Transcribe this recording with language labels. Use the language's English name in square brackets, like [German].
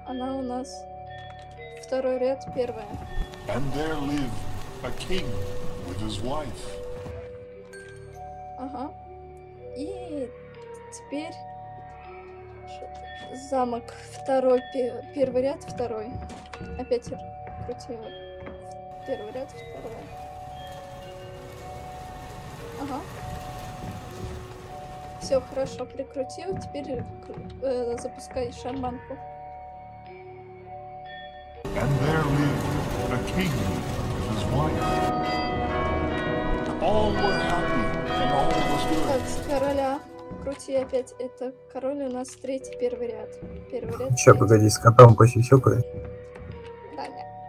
[Russian] Она у нас второй ряд, первая. [English] And there lived a king with his wife. [Russian] Ага. И теперь замок, второй, первый ряд, второй. Опять крути его. Первый ряд, второй. Ага. Все хорошо, прикрутил. Теперь запускай шарманку. [English] And there lived a king with his wife. All were happy and all was good. [Russian] Так, с короля. Крути опять, это король у нас третий, первый ряд. Первый ряд. Сейчас, погоди, с котом посисюкай. Даня.